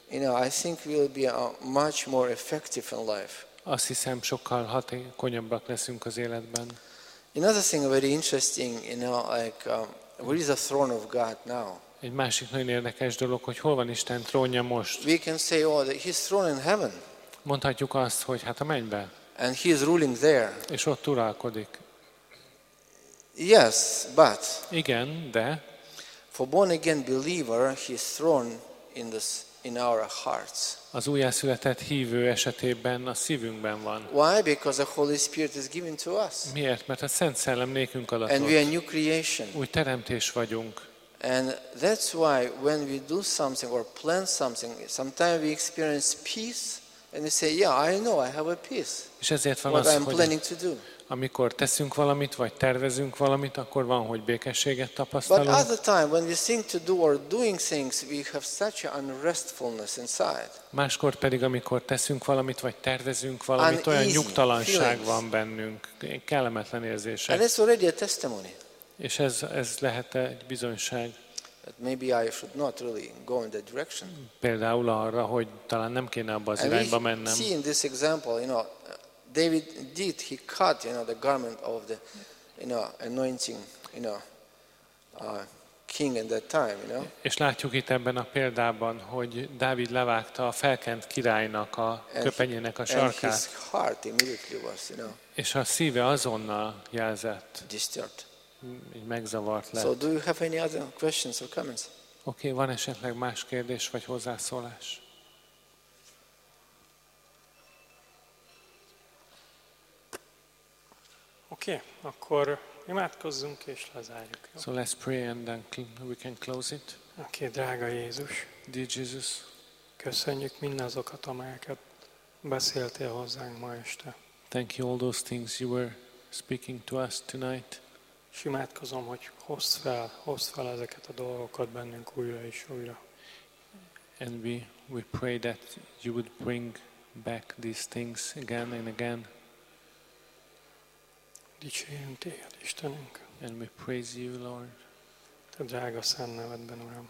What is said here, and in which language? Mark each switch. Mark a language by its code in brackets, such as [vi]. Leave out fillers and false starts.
[en] I think we'll be much more effective in life. [hu] Azt hiszem, sokkal hatékonyabbak leszünk az életben. [en] Another thing very interesting, where is the throne of God now? [hu] Egy másik nagyon érdekes dolog, hogy hol van Isten trónja most? [en] We can say, his throne in heaven. [hu] Mondhatjuk azt, hogy hát a mennybe. [en] And he is ruling there. [hu] És ott uralkodik. [en] Yes, but. [hu] Igen, de. [en] For born again believer, his throne in our hearts. [hu] Az újjászületett hívő esetében a szívünkben van. [en] Why? Because the Holy Spirit is given to us. [hu] Miért? Mert a Szent Szellem nékünk adatott. [en] And we are new creation. [hu] Új teremtés vagyunk. [en] And that's why when we do something or plan something, sometimes we experience peace and we say, yeah, I know, I have a peace. [hu] És ezért van [en] what [hu] az, [en] I'm planning to do. [hu] Amikor teszünk valamit vagy tervezünk valamit, akkor van, hogy békességet tapasztalunk. [en] But other time when we think to do or doing things, we have such an unrestfulness inside. [hu] Máskor pedig, amikor teszünk valamit vagy tervezünk valamit, olyan nyugtalanság van bennünk, kellemetlen érzések. [en] And it's already a testimony. [hu] És ez lehet egy bizonyság. [en] that maybe I should not really go in that direction. [hu] Például arra, hogy talán nem kéne abba az irányba mennem. [en] See in this example, you know, David did, he cut, you know, the garment of the, you know, anointing, you know, king in that time, you know. [hu] És látjuk itt ebben a példában, hogy Dávid levágta a felkent királynak a köpenyének a sarkát. [en] And his heart immediately was, you know. [hu] És a szíve azonnal jelzett. [en] Disturbed. [hu] Így megzavart lett. [en] So do you have any other questions or comments? [hu] Okay, van esetleg más kérdés vagy hozzászólás? Okay, akkor imádkozzunk és lezárjuk. Jó? [en] So let's pray and then we can close it. [hu] Okay, drága Jézus. [en] Dear Jesus. [hu] Köszönjük mindazokat, amelyeket beszéltél hozzánk ma este. [en] Thank you all those things you were speaking to us tonight. [hu] És imádkozom, hogy hozd fel ezeket a dolgokat bennünk újra és újra. [en] And we pray that you would bring back these things again and again. [hu] Dicsérünk téged, Istenünk. [en] And we praise you, Lord. [hu] Te drága szent nevedben, Uram.